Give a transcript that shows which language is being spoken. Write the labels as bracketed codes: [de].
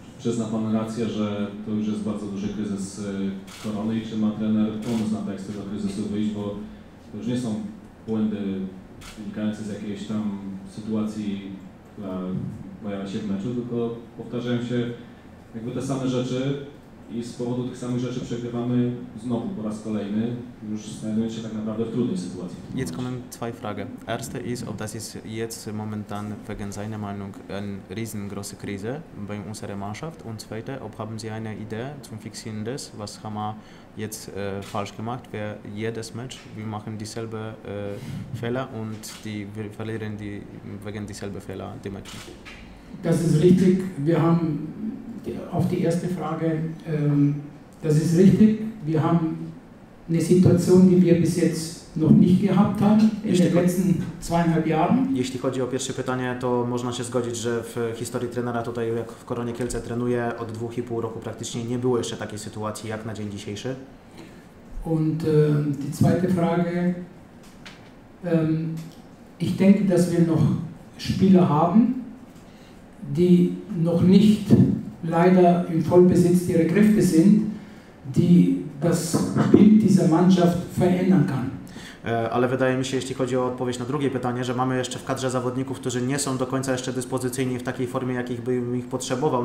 [pl] Przyzna pan rację, że to już jest bardzo duży kryzys korony i czy ma trener pomysł na to, jak z tego kryzysu wyjść, bo to już nie są błędy wynikające z jakiejś tam sytuacji, która pojawia się w meczu, tylko powtarzają się jakby te same rzeczy i z powodu tych samych rzeczy przegrywamy znowu po raz kolejny, już znajdując się tak naprawdę w trudnej sytuacji. [de] Jetzt kommen zwei Fragen. Erste ist, ob das ist jetzt momentan wegen seiner Meinung eine riesengroße Krise bei unserer Mannschaft. Und zweite, ob haben Sie eine Idee zum Fixieren des, was haben wir jetzt falsch gemacht? Wir jedes Match, wir machen dieselbe Fehler und wir verlieren wegen dieselben Fehler die Match. Das ist richtig. Wir haben auf die erste Frage, das ist richtig. Wir haben eine Situation, die wir bis jetzt noch nicht gehabt haben in den letzten 2,5 Jahren. [pl] Jeśli chodzi o pierwsze pytanie, to można się zgodzić, że w historii trenera tutaj, jak w Koronie Kielce trenuje, od 2,5 roku praktycznie nie było jeszcze takiej sytuacji jak na dzień dzisiejszy. [de] Und die zweite Frage, ich denke, dass wir noch Spieler haben, die noch nicht leider im Vollbesitz ihrer Kräfte sind, die das Bild dieser Mannschaft verändern kann. [pl] Ale wydaje mi się, jeśli chodzi o odpowiedź na drugie pytanie, że mamy jeszcze w kadrze zawodników, którzy nie są do końca jeszcze dyspozycyjni w takiej formie, jakich bym ich potrzebował.